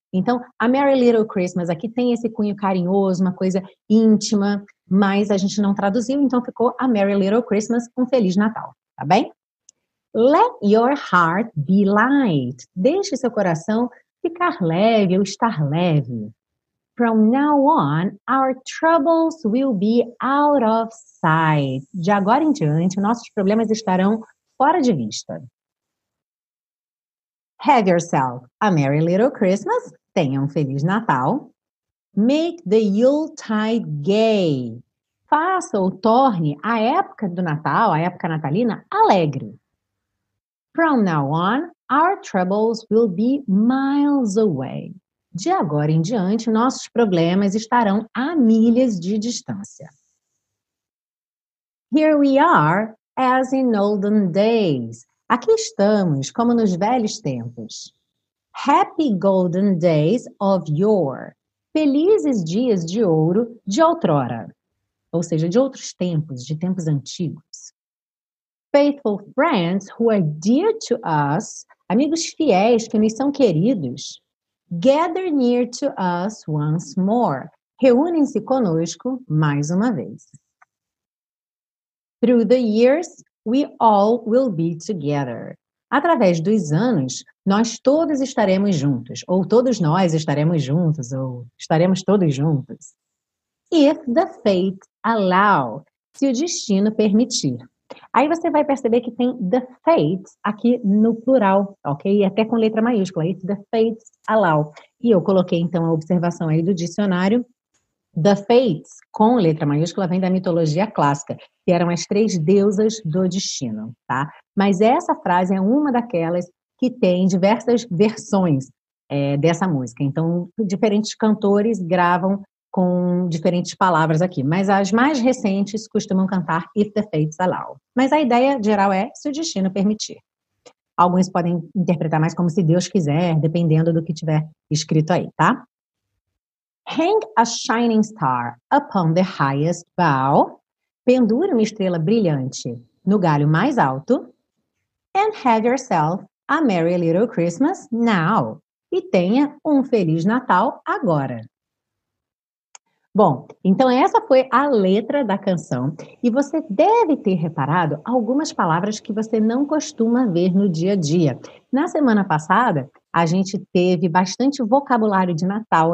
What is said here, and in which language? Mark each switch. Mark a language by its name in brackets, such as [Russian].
[Portuguese] Então, a Merry Little Christmas aqui tem esse cunho carinhoso, uma coisa íntima, mas a gente não traduziu, então ficou a Merry Little Christmas, um Feliz Natal, tá bem? [English] Let your heart be light. [Portuguese] Deixe seu coração ficar leve ou estar leve. [English] From now on, our troubles will be out of sight. [Portuguese] De agora em diante, nossos problemas estarão fora de vista. [English] Have yourself a Merry Little Christmas. [Portuguese] Tenha um Feliz Natal. [English] Make the Yuletide gay. [Portuguese] Faça ou torne a época do Natal, a época natalina, alegre. [English] From now on, our troubles will be miles away. [Portuguese] De agora em diante, nossos problemas estarão a milhas de distância. [English] Here we are. As in olden days. [Portuguese] Aqui estamos, como nos velhos tempos. [English] Happy golden days of yore. [Portuguese] Felizes dias de ouro de outrora. Ou seja, de outros tempos, de tempos antigos. [English] Faithful friends who are dear to us. [Portuguese] Amigos fiéis que nos são queridos. [English] Gather near to us once more. [Portuguese] Reúnem-se conosco mais uma vez. [English] Through the years, we all will be together. [Portuguese] Através dos anos, nós todos estaremos juntos, ou todos nós estaremos juntos, ou estaremos todos juntos. [English] If the fate allow, [Portuguese] se o destino permitir. Aí você vai perceber que tem the fate aqui no plural, ok? Até com letra maiúscula, [English] if the fate allow. [Portuguese] E eu coloquei então a observação aí do dicionário. The Fates, com letra maiúscula, vem da mitologia clássica, que eram as três deusas do destino, tá? Mas essa frase é uma daquelas que tem diversas versões, dessa música. Então, diferentes cantores gravam com diferentes palavras aqui, mas as mais recentes costumam cantar [English] If the Fates Allow. [Portuguese] Mas a ideia geral é se o destino permitir. Alguns podem interpretar mais como se Deus quiser, dependendo do que tiver escrito aí, tá? [English] Hang a shining star upon the highest bough. [Portuguese] Pendure uma estrela brilhante no galho mais alto. [English] And have yourself a merry little Christmas now. [Portuguese] E tenha um Feliz Natal agora. Bom, então essa foi a letra da canção. E você deve ter reparado algumas palavras que você não costuma ver no dia a dia. Na semana passada, a gente teve bastante vocabulário de Natal.